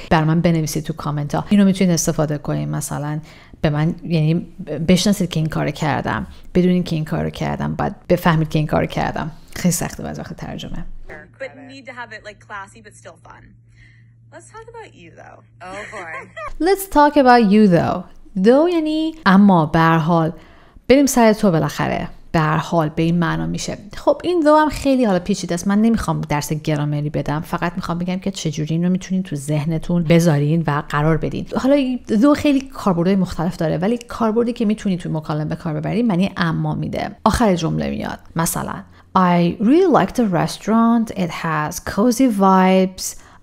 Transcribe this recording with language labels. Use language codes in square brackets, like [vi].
[fa] برای من بنویسید تو کامنت ها. اینو میتونید استفاده کنید مثلا به من، یعنی بشناسید که این کار کردم، بدونید که این کار رو کردم، بعد بفهمید که این کار کردم. خیلی سخته باز وقت ترجمه. [en] But need to have it like classy but still fun. Let's talk about you though. Oh boy. Let's talk about you though. [fa] یعنی اما به هر حال. بریم سر تو بالاخره. به هر حال به این معنا میشه. خب این دو هم خیلی حالا پیچیده است. من نمیخوام درس گرامری بدم، فقط میخوام بگم که چجوری این رو میتونین تو ذهنتون بذارین و قرار بدین. حالا دو خیلی کاربردهای مختلف داره، ولی کاربردی که میتونین تو مکالمه به کار ببرین معنی اما میده. آخر جمله میاد. [en] مثلا I really like the restaurant. It has cozy vibes.